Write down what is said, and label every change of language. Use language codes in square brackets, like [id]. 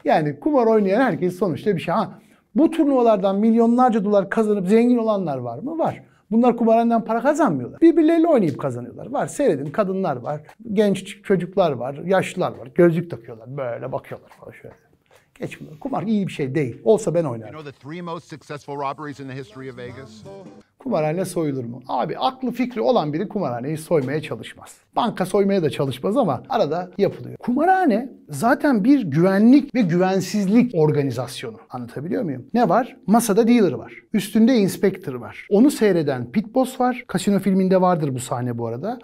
[tr] Yani kumar oynayan herkes sonuçta bir şey. Ha, bu turnuvalardan milyonlarca dolar kazanıp zengin olanlar var mı? Var. Bunlar kumarhaneden para kazanmıyorlar. Birbirleriyle oynayıp kazanıyorlar. Var, seyredin, kadınlar var, genç çocuklar var, yaşlılar var. Gözlük takıyorlar, böyle bakıyorlar falan şöyle. Geç bunlar. Kumar iyi bir şey değil. Olsa ben oynarım. [en] You know the three most successful robberies in the history of Vegas? [tr] Kumarhane soyulur mu? Abi aklı fikri olan biri kumarhaneyi soymaya çalışmaz. Banka soymaya da çalışmaz ama arada yapılıyor. Kumarhane zaten bir güvenlik ve güvensizlik organizasyonu. Anlatabiliyor muyum? Ne var? Masada dealer var. Üstünde inspector var. Onu seyreden pit boss var. Casino filminde vardır bu sahne bu arada.